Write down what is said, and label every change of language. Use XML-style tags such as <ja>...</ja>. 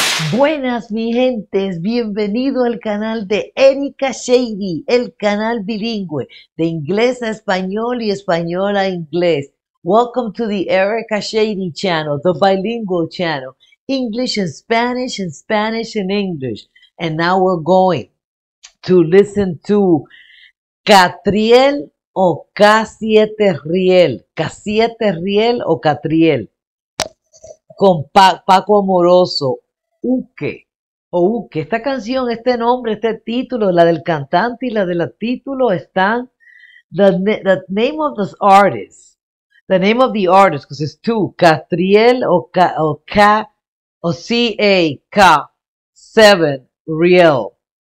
<es>Buenas, mi gentes, bienvenido al canal de Erika Shady, el canal bilingüe de inglés a español y español a inglés.</es> <en>Welcome to the Erika Shady channel, the bilingual channel, English and Spanish and English. And now we're going to listen to Catriel o Casiete Riel, Casiete Riel o Catriel, con Paco Amoroso.</en> <es>Uke, o Uke, esta canción, este nombre, este título, la del cantante y la del título están.</es> <en>The name of this artist, the name of the artist, because it's two, Catriel o Ca, o Ca, o C-A, Ca, seven, Riel.</en>